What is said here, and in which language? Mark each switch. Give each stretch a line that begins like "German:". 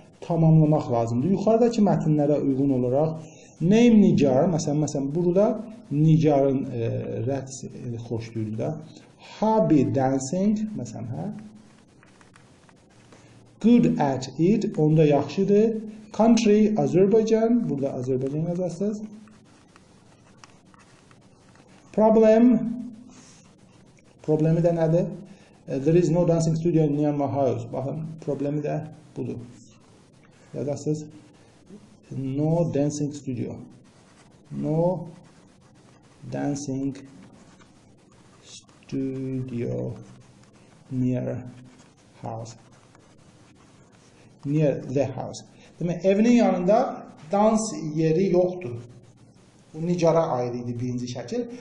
Azerbaijani: tamamlamaq lazımdır. Yuxarıdakı mətnlərə uyğun olaraq name Nigar, məsələn burada Nigarın rəqs xoşdurdu da.
English: Hobby dancing,
Azerbaijani: məsələn, hə?
English: Good at it,
Azerbaijani: onda yaxşıdır.
English: Country
Azerbaijani: Azerbaijan, burada Azerbaijan yazarsınız. Problem, problemi də nədir?
English: There is no dancing studio near my house.
Azerbaijani: Baxın, problemi də budur. Yazarsınız.
English: No dancing studio. No dancing studio near house. Near the house.
Azerbaijani: Demək, evinin yanında dans yeri yoxdur. Bu Nicara ayrı idi birinci şəkil.